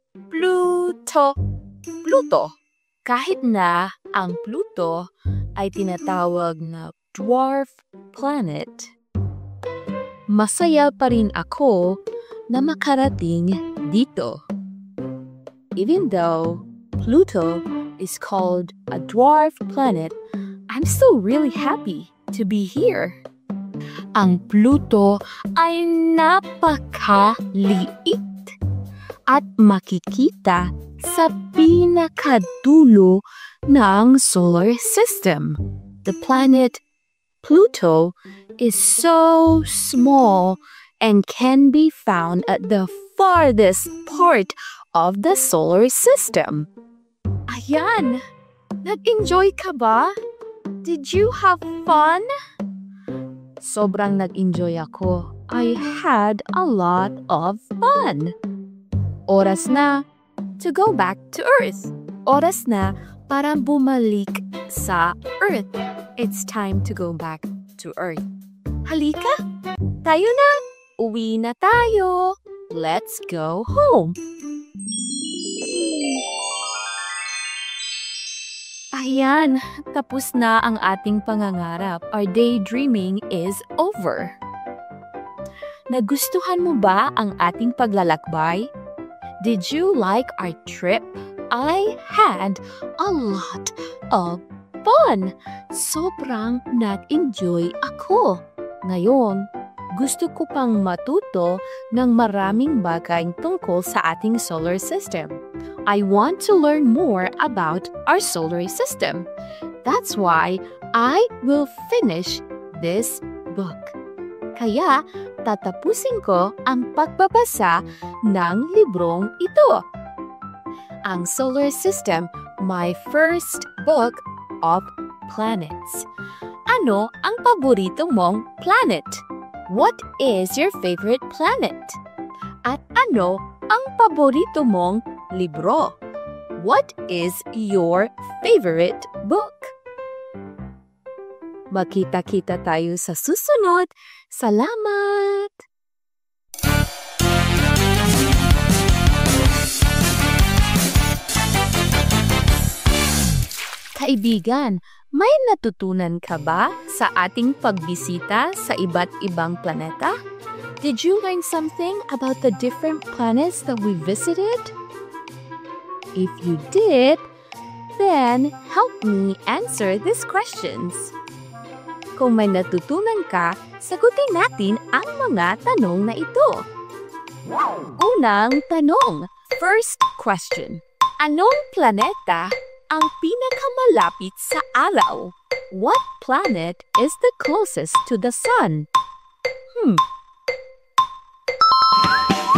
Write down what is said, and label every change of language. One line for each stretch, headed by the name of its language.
Filipino: Pluto. Pluto. Kahit na ang Pluto ay tinatawag na dwarf planet, masaya pa rin ako na makarating dito.
English: Even though Pluto is called a dwarf planet, I'm still really happy to be here.
Filipino: Ang Pluto ay napakaliit at makikita sa pinakadulo ng solar system.
English: The planet Pluto is so small and can be found at the farthest part of the solar system.
Filipino: Ayan! Nag-enjoy ka ba?
English: Did you have fun?
Filipino: Sobrang nag-enjoy ako.
English: I had a lot of fun.
Filipino: Oras na
English: to go back to Earth.
Filipino: Oras na para bumalik sa Earth.
English: It's time to go back to Earth.
Filipino: Halika! Tayo na! Uwi na tayo!
English: Let's go home!
Filipino: Ayan, tapos na ang ating pangangarap.
English: Our daydreaming is over.
Filipino: Nagustuhan mo ba ang ating paglalakbay?
English: Did you like our trip? I had a lot of fun.
Filipino: Sobrang nag-enjoy ako. Ngayon, gusto ko pang matuto ng maraming bagay tungkol sa ating solar system.
English: I want to learn more about our solar system. That's why I will finish this book.
Filipino: Kaya tatapusin ko ang pagbabasa ng librong ito. Ang
English: Solar System, my first book of planets.
Filipino: Ano ang paborito mong planet?
English: What is your favorite planet?
Filipino: At ano ang paborito mong libro?
English: What is your favorite book?
Filipino: Makita-kita tayo sa susunod. Salamat! Kaibigan, may natutunan ka ba sa ating pagbisita sa iba't ibang planeta?
English: Did you learn something about the different planets that we visited? If you did, then help me answer these questions.
Filipino: Kung may natutunan ka, sagutin natin ang mga tanong na ito. Unang tanong.
English: First question.
Filipino: Anong planeta ang pinakamalapit sa araw?
English: What planet is the closest to the sun?